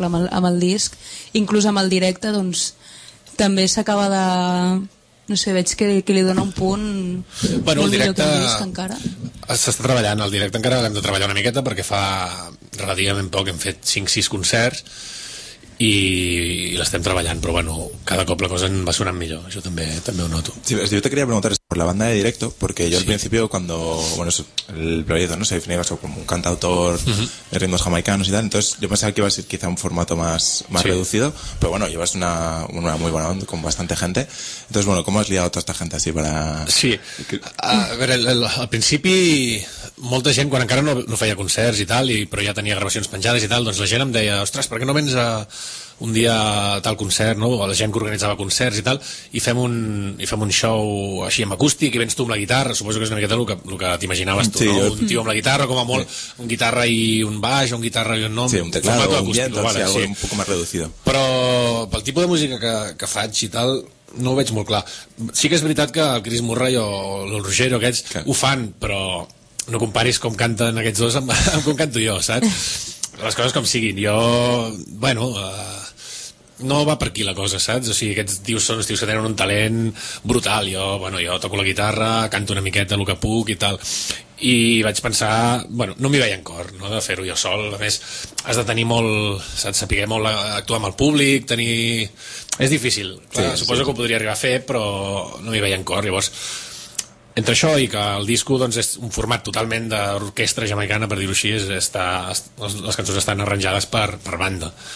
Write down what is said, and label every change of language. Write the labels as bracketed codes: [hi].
[ca] Clar, amb el disc, inclús amb el directe, doncs també s'acaba de, no sé, veig que li dona un punt. Bueno, molt el directe millor que el disc, encara s'està treballant, el directe encara l'hem de treballar una miqueta, perquè fa relativament poc hem fet 5-6 concerts i l'estem treballant, però bueno, cada cop la cosa va sonant millor, això també ho noto. [es] Sí, yo te quería preguntar por la banda de directo, porque yo sí. Al principio cuando, bueno, el proyecto, ¿no?, se definía como un cantautor de ritmos jamaicanos y tal, entonces yo pensaba que iba a ser quizá un formato más reducido, pero bueno, llevas una muy buena onda con bastante gente. Entonces, bueno, ¿cómo has liado toda esta gente así para...? [ca] Sí, a ver, al principi molta gent, quan encara no feia concerts i tal, però ja tenia gravacions penjades i tal, doncs la gent em deia, ostres, per què no vens a un dia a tal concert, no? La gent que organitzava concerts i tal, i fem un show així amb acústic i vens tu amb la guitarra, suposo que és una miqueta el que t'imaginaves tu, sí, no? Jo... Un tio amb la guitarra, com a molt, sí. Un guitarra i un baix, un guitarra i un nom, [es] sí, un teclado, un viento, vale, sí, un poco más reducido. [ca] Però pel tipus de música que faig i tal... No ho veig molt clar. Sí que és veritat que el Chris Murray o el Rogero aquests que... ho fan, però no comparis com canten aquests dos amb com canto jo, saps? Les coses com siguin. Jo, bueno, no va per aquí la cosa, saps? O sigui, aquests tios són els tios que tenen un talent brutal. Jo, bueno, jo toco la guitarra, canto una miqueta el que puc i tal. I vaig pensar, bueno, no m'hi veia en cor, no, de fer-ho jo sol. A més, has de tenir molt, saps, saber molt actuar amb el públic, tenir... És difícil, clar, sí, suposo sí. Que ho podria arribar a fer, però no m'hi veia en cor. Llavors, entre això i que el disco doncs, és un format totalment d'orquestra jamaicana, per dir-ho així, les cançons estan arranjades per banda.